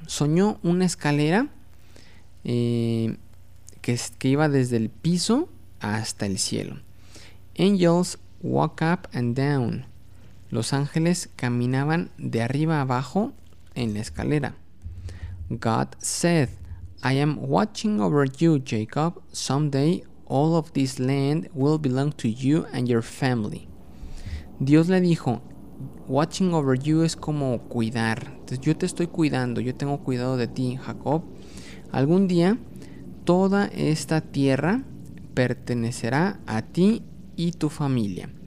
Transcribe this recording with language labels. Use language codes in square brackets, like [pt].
[es] Soñó una escalera que iba desde el piso hasta el cielo. [en] Angels walk up and down. [es] Los ángeles caminaban de arriba abajo en la escalera. [en] God said, I am watching over you, Jacob. Someday all of this land will belong to you and your family. [es] Dios le dijo, [en] watching over you [es] es como cuidar. Entonces, yo te estoy cuidando, yo tengo cuidado de ti, Jacob. Algún día toda esta tierra pertenecerá a ti y tu familia.